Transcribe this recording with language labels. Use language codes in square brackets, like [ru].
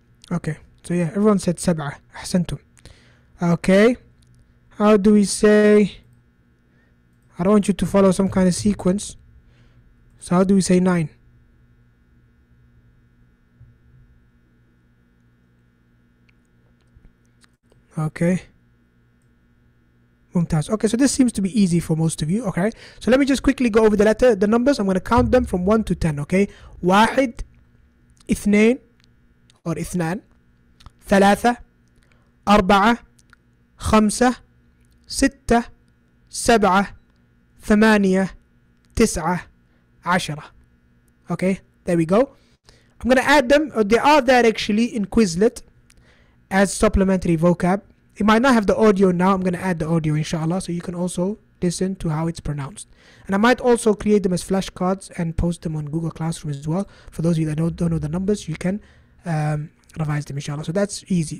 [en] Okay, so yeah, everyone said 7. Ahsantum. Okay, how do we say? I don't want you to follow some kind of sequence. So how do we say 9? Okay. Mumtaz. Okay, so this seems to be easy for most of you. Okay, so let me just quickly go over the letter, the numbers. I'm going to count them from 1 to 10. [ar] Okay, واحد, اثنين, or اثنان, ثلاثة, أربعة, خمسة, ستة, سبعة, ثمانية, تسعة, عشرة. [en] Okay, there we go. I'm going to add them. They are there actually in Quizlet as supplementary vocab. It might not have the audio now. I'm going to add the audio, inshallah, so you can also listen to how it's pronounced. And I might also create them as flashcards and post them on Google Classroom as well. For those of you that don't know the numbers, you can revise them, inshallah. So that's easy.